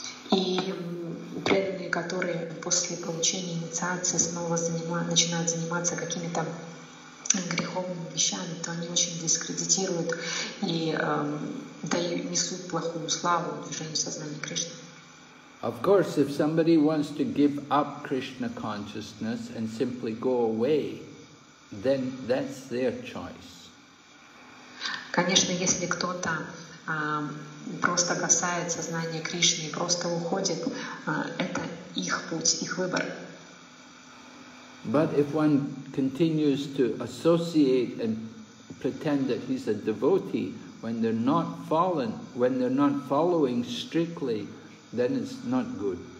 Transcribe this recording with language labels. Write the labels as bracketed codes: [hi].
[ru] И преданные, которые после получения инициации снова начинают заниматься какими-то греховными вещами, то они очень дискредитируют и несут плохую славу движению сознания Кришны. [en] Of course, if somebody wants to give up Krishna consciousness and simply go away, then that's their choice. [ru] Конечно, если кто-то просто касает сознание Кришны и просто уходит, это их путь, их выбор. [en] But if one continues to associate and pretend that he's a devotee when they're not fallen, when they're not following strictly, then it's not good.